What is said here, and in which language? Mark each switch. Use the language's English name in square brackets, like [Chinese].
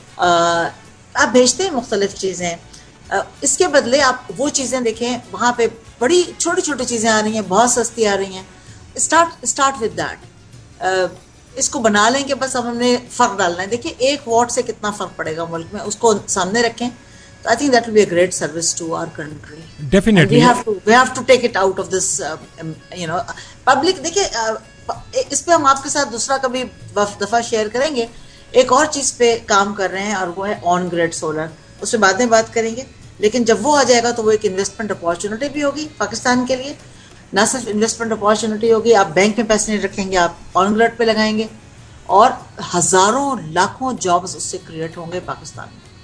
[Urdu] آپ بھیجتے ہیں مختلف چیزیں. اس کے بدلے آپ وہ چیزیں دیکھیں, وہاں پہ بڑی چھوٹی چھوٹی چیزیں آ رہی ہیں, بہت سستی آ رہی ہیں. [English] start with that, [Urdu] اس کو بنا لیں کہ بس ہم نے فرق ڈالنا ہے. دیکھیں ایک واٹ سے کتنا فرق پڑے گا ملک میں, اس کو سامنے رکھیں. [English] I think that will be a great service to our country. Definitely. We have to take it out of this, you know, public. [Urdu] دیکھیں اس پہ ہم آپ کے ساتھ دوسرا کبھی دفعہ شیئر کریں گے. ایک اور چیز پہ کام کر رہے ہیں اور وہ ہے آن گریڈ سولر, اس پہ بعد میں بات کریں گے. لیکن جب وہ آ جائے گا تو وہ ایک انویسٹمنٹ اپارچونیٹی بھی ہوگی پاکستان کے لیے. نہ صرف انویسٹمنٹ اپارچونیٹی ہوگی, آپ بینک میں پیسے نہیں رکھیں گے, آپ آن گریڈ پہ لگائیں گے اور ہزاروں لاکھوں جابس اس سے کریٹ ہوں گے پاکستان میں.